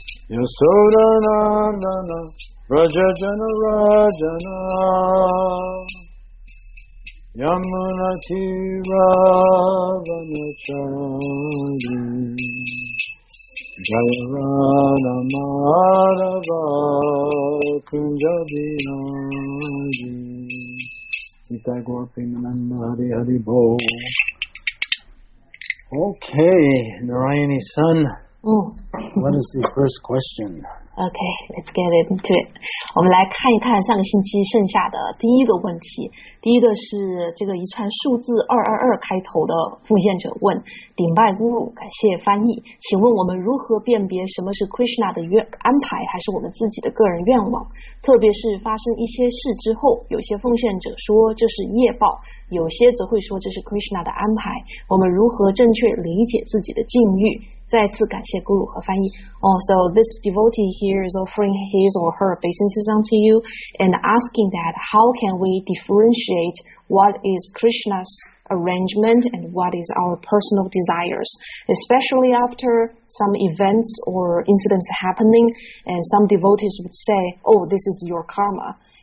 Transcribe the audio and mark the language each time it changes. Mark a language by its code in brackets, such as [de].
[sa] Yasoda Nandana Vraja Jana Rajana Yamuna Tira Vanachari Jaya Radha Madhava Kunjabi Nadi Sita Gopi Nanda Hari Hari Bo. [en] Okay, Narayani son, what is the first question? Okay, let's get into it. [zh] 我们来看一看上个星期剩下的第一个问题。第一个是这个一串数字222开头的奉献者问：顶拜咕噜，感谢翻译，请问我们如何辨别什么是 Krishna 的安排，还是我们自己的个人愿望？特别是发生一些事之后，有些奉献者说这是业报，有些则会说这是 Krishna 的安排。我们如何正确理解自己的境遇？再次感谢咕噜和翻译。 [en] Oh, so this devotee here is offering his or her obeisances unto you and asking that how can we differentiate what is Krishna's arrangement and what is our personal desires, especially after some events or incidents happening, and some devotees would say, oh, this is your karma.